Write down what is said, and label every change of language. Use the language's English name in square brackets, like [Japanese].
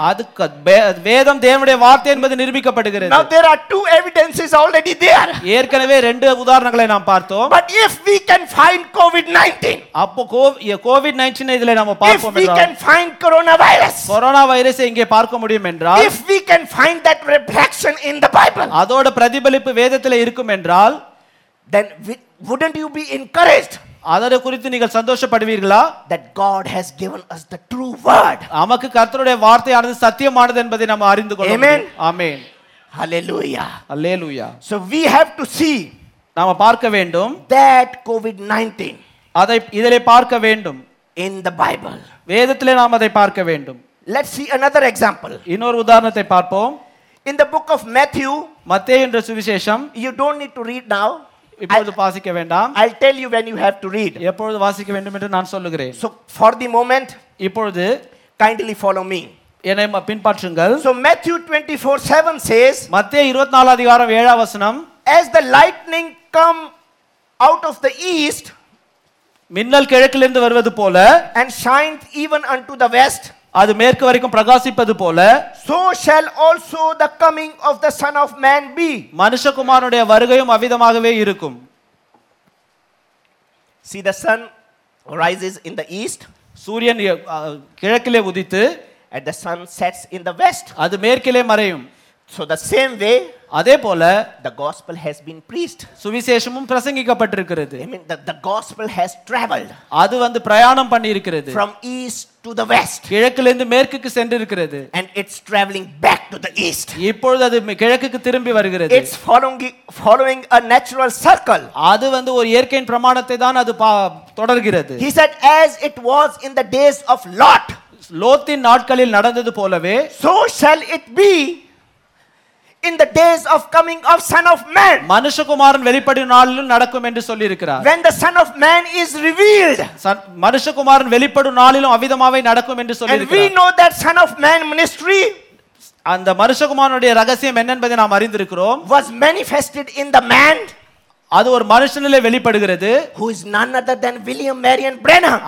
[Tamil] அது வேதம் தேவனுடைய வார்த்தை என்பது நிரூபிக்கப்படுகிறது. [English] Now there are two evidences already there. [Tamil] ஏற்கனவே ரெண்டு உதாரணங்களை நாம் பார்த்தோம். [English] But if we can find COVID-19. [Tamil] அப்போ COVID-19 இதில நாம் பார்ப்போம். [English] If we can find coronavirus. [Tamil] Corona வைரஸை இங்கே பார்க்க முடியும் என்றால். [English] If we can find that reflection in the Bible. [Tamil] அதோட பிரதிபலிப்பு வேதத்தில் இருக்கும் என்றால். [English] Then wouldn't you be encouraged? [Tamil] அதற குறித்து நீங்கள் சந்தோஷப்படுவீர்களா? [English] That God has given us the true word. [Tamil] நமக்கு கர்த்தருடைய வார்த்தையானது சத்தியமானது என்பதை நாம் அறிந்து கொள்ளணும். [English] Amen. Amen. Hallelujah. Hallelujah. So we have to see. [Tamil] நாம் பார்க்க வேண்டும். [English] That COVID-19. [Tamil] அதை இதிலே பார்க்க வேண்டும். [English] In the Bible. [Tamil] வேதத்திலே நாம் அதை பார்க்க வேண்டும். [English] Let's see another example. [Tamil] இன்னொரு உதாரணத்தை பார்ப்போம். [English] In the book of Matthew. [Tamil] மத்தேயுவின் சுவிசேஷம். [English] You don't need to read now. [Tamil] இப்பொழுது வாசிக்க வேண்டாம். [English] I'll tell you when you have to read. [Tamil] எப்பொழுது வாசிக்க வேண்டும் என்று நான் சொல்லுகிறேன். [English] So for the moment, [Tamil] இப்பொழுது [English] kindly follow me. [Tamil] என்னை பின்பற்றுங்கள். [English] So Matthew 24:7 says, [Tamil] மத்தேயு 24 அதிகாரம் 7வது வசனம், [English] as the lightning come out of the east, [Tamil] மின்னல் கிழக்கிலிருந்து வருவது போல, [English] and shines even unto the west, [Tamil] அது மேற்கு வரைக்கும் பிரகாசிப்பது போல, [English] so shall also the coming of the son of man be. [Tamil] மனுஷகுமாரனுடைய வருகையும் அவ்விதமாகவே இருக்கும். [English] See the sun rises in the east. [Tamil] சூரியன் கிழக்கிலே உதித்து, [English] and the sun sets in the west. [Tamil] அது மேற்கிலே மறையும். [English] So the same way, [Tamil] அதே போல, [English] the gospel has been preached. [Tamil] சுவிசேஷமும் பிரசங்கிக்கப்பட்டிருக்கிறது. [English] I mean the gospel has traveled. [Tamil] அது வந்து பிரயாணம் பண்ணியிருக்கிறது. [English] From east to the west. [Tamil] கிழக்கிலிருந்து மேற்குக்கு சென்றிருக்கிறது. [English] And it's traveling back to the east. [Tamil] இப்பொழுது அது கிழக்குக்கு திரும்பி வருகிறது. [English] It's following a natural circle. [Tamil] அது வந்து ஒரு இயற்கையின் பிரமாணத்தை தான் அது தொடர்கிறது. [English] He said as it was in the days of Lot. [Tamil] லோத்தின் நாட்களில் நடந்தது போலவே, [English] so shall it be in the days of coming of son of man. [Tamil] மனுஷகுமாரன் வெளிப்படும் நாளிலும் நடக்கும் என்று சொல்லி இருக்கிறார். [English] When the son of man is revealed. [Tamil] மனுஷகுமாரன் வெளிப்படும் நாளிலும் அவிதமாவே நடக்கும் என்று சொல்லி இருக்கிறார். [English] And we know that son of man ministry. [Tamil] அந்த மனுஷகுமாரனுடைய ரகசியம் என்ன என்பதை நாம் அறிந்திருக்கிறோம். [English] Was manifested in the man. [Tamil] அது ஒரு மனுஷனிலே வெளிப்படுகிறது. [English] Who is none other than William Marion Branham.